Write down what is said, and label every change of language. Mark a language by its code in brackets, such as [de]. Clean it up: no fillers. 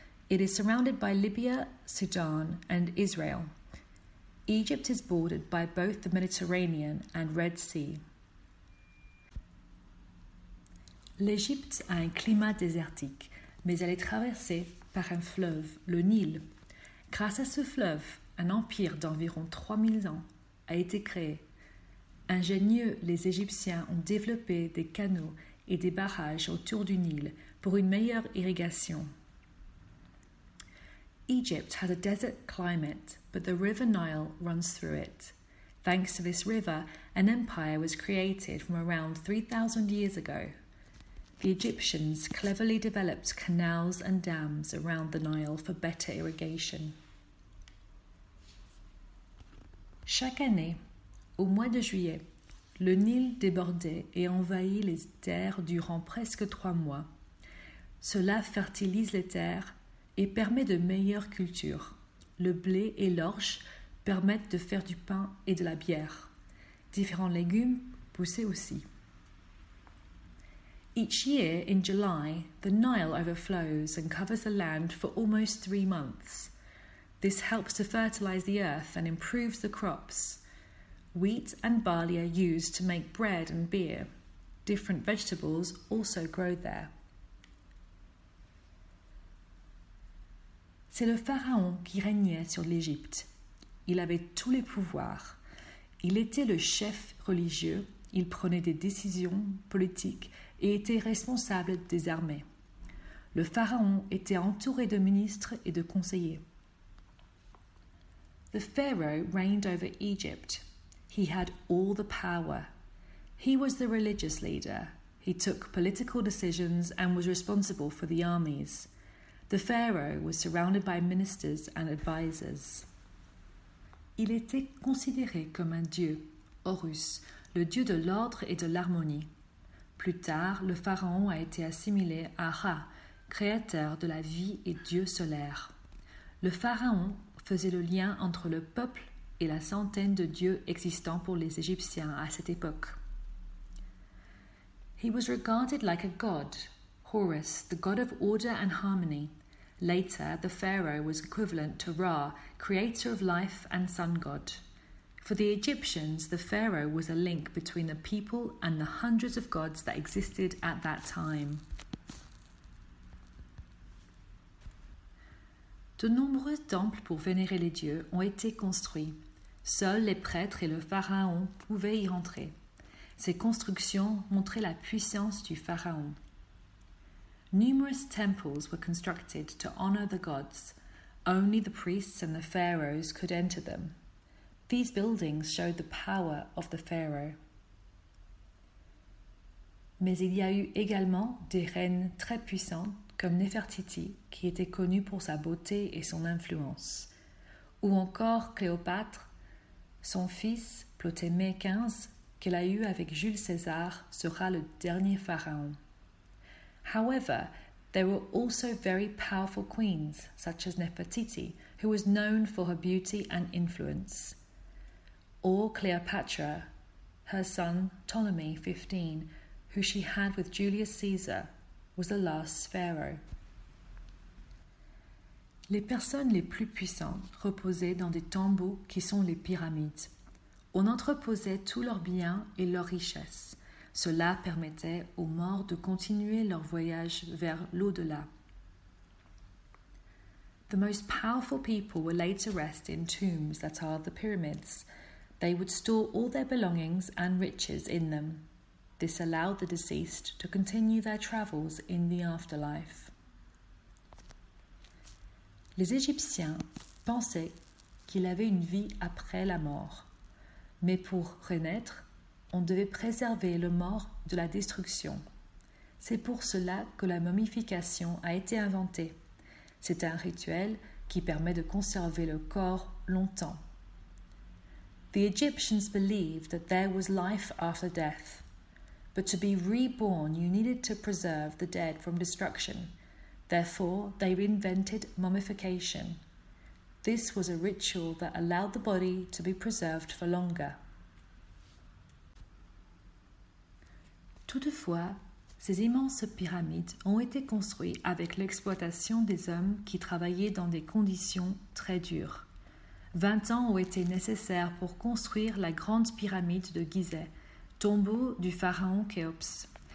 [en] It is surrounded by Libya, Sudan and Israel. Egypt is bordered by both the Mediterranean and Red Sea. [fr] L'Égypte a un climat désertique, mais elle est traversée par un fleuve, le Nil. Grâce à ce fleuve, un empire d'environ 3000 ans a été créé. Ingénieux, les Égyptiens ont développé des canaux et des barrages autour du Nil pour une meilleure irrigation. [en] Egypt has a desert climate, but the River Nile runs through it. Thanks to this river, an empire was created from around 3,000 years ago. The Egyptians cleverly developed canals and dams around the Nile for better irrigation. [fr] Chaque année, au mois de juillet, le Nil débordait et envahit les terres durant presque 3 mois. Cela fertilise les terres et permet de meilleures cultures. Le blé et l'orge permettent de faire du pain et de la bière. Différents légumes poussaient aussi. [en] Each year, in July, the Nile overflows and covers the land for almost 3 months. This helps to fertilize the earth and improves the crops. Wheat and barley are used to make bread and beer. Different vegetables also grow there. [fr] C'est le pharaon qui régnait sur l'Égypte. Il avait tous les pouvoirs. Il était le chef religieux, il prenait des décisions politiques et était responsable des armées. Le pharaon était entouré de ministres et de conseillers. [en] The pharaoh reigned over Egypt. He had all the power. He was the religious leader. He took political decisions and was responsible for the armies. The pharaoh was surrounded by ministers and advisors. [fr] Il était considéré comme un dieu, Horus, le dieu de l'ordre et de l'harmonie. Plus tard, le pharaon a été assimilé à Ra, créateur de la vie et dieu solaire. Le pharaon faisait le lien entre le peuple et la centaine de dieux existants pour les Égyptiens à cette époque. [en] He was regarded like a god, Horus, the god of order and harmony. Later, the pharaoh was equivalent to Ra, creator of life and sun god. For the Egyptians, the pharaoh was a link between the people and the hundreds of gods that existed at that time. [fr] De nombreux temples pour vénérer les dieux ont été construits. Seuls les prêtres et le pharaon pouvaient y rentrer. Ces constructions montraient la puissance du pharaon. [en] Numerous temples were constructed to honor the gods. Only the priests and the pharaohs could enter them. These buildings showed the power of the pharaoh. [fr] Mais il y a eu également des reines très puissantes comme Néfertiti, qui était connue pour sa beauté et son influence, ou encore Cléopâtre, son fils Ptolémée XV, qu'elle a eu avec Jules César, sera le dernier pharaon. [en] However, there were also very powerful queens, such as Nefertiti, who was known for her beauty and influence. Or Cleopatra, her son Ptolemy XV, who she had with Julius Caesar, was the last pharaoh. [fr] Les personnes les plus puissantes reposaient dans des tombeaux qui sont les pyramides. On entreposait tous leurs biens et leurs richesses. Cela permettait aux morts de continuer leur voyage vers l'au-delà. [en] The most powerful people were laid to rest in tombs that are the pyramids. They would store all their belongings and riches in them. This allowed the deceased to continue their travels in the afterlife. [fr] Les Égyptiens pensaient qu'il avait une vie après la mort, mais pour renaître, on devait préserver le mort de la destruction. C'est pour cela que la momification a été inventée. C'est un rituel qui permet de conserver le corps longtemps. [en] The Egyptians believed that there was life after death. But to be reborn, you needed to preserve the dead from destruction. Therefore, they invented mummification. This was a ritual that allowed the body to be preserved for longer. [fr] Toutefois, ces immenses pyramides ont été construites avec l'exploitation des hommes qui travaillaient dans des conditions très dures. 20 ans ont été nécessaires pour construire la grande pyramide de Gizeh, tombeau du pharaon Khéops.